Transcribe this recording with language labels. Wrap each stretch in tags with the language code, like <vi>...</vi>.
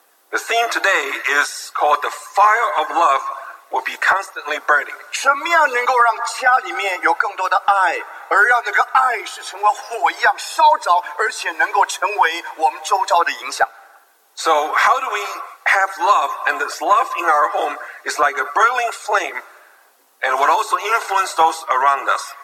<en>The theme today is called The Fire of Love Will Be Constantly Burning.</en> <zh>什么样能够让家里面有更多的爱, 而让那个爱是成为火一样烧着, 而且能够成为我们周遭的影响。</zh> <en>So how do we have love, and this love in our home is like a burning flame and would also influence those around us?</en>